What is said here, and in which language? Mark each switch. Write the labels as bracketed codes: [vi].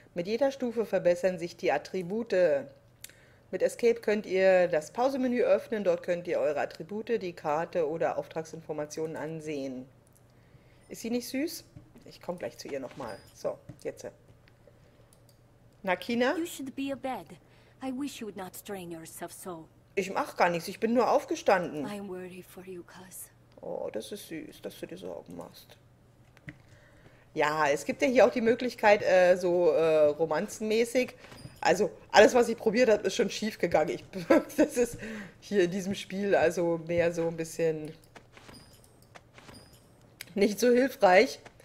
[de] Mit jeder Stufe verbessern sich die Attribute. Mit Escape könnt ihr das Pausemenü öffnen. Dort könnt ihr eure Attribute, die Karte oder Auftragsinformationen ansehen. Ist sie nicht süß? Ich komme gleich zu ihr nochmal. So, jetzt. Nakina? [en] You should be a bed. I wish you would not strain yourself so. [de] Ich mach gar nichts. Ich bin nur aufgestanden. [en] I am worried for you, cuz. [de] Oh, das ist süß, dass du dir Sorgen machst. Ja, es gibt ja hier auch die Möglichkeit, so romanzenmäßig. Also, alles, was ich probiert habe, ist schon schief gegangen. Das ist hier in diesem Spiel also mehr so ein bisschen nicht so hilfreich.